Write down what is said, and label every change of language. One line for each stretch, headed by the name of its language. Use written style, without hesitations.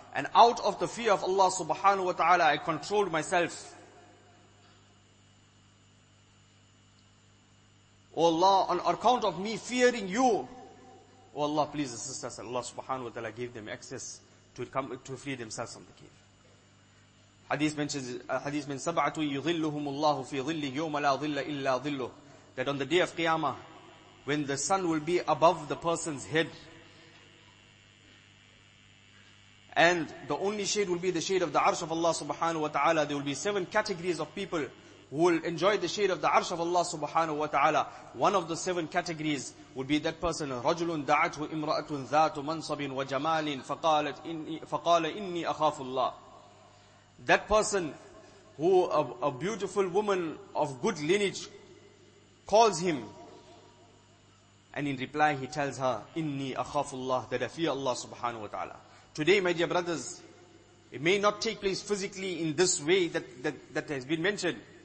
English: And out of the fear of Allah subhanahu wa ta'ala, I controlled myself. Oh Allah, on account of me fearing you, Oh Allah, please assist us. Allah subhanahu wa ta'ala gave them access to free themselves from the cave. Hadith mentions,
Arabic: سَبْعَةٌ يُظِلُّهُمُ اللَّهُ فِي ظِلِّهِ يَوْمَ لَا ظِلَّ إِلَّا ظِلُّهُ.
English: That on the day of Qiyamah, when the sun will be above the person's head. And the only shade will be the shade of the arsh of Allah subhanahu wa ta'ala. There will be seven categories of people who will enjoy the shade of the arsh of Allah subhanahu wa ta'ala. One of the seven categories will be that person,
Arabic: رَجُلٌ دَعَتْهُ إِمْرَأَةٌ ذَاتُ مَنْصَبٍ وَجَمَالٍ فَقَالَ إِنِّي أَخَافُ اللَّهِ.
English: That person who, a beautiful woman of good lineage, calls him. And in reply he tells her,
Arabic: إِنِّي أَخَافُ اللَّهِ,
English: that I fear Allah subhanahu wa ta'ala. Today, my dear brothers, it may not take place physically in this way that has been mentioned.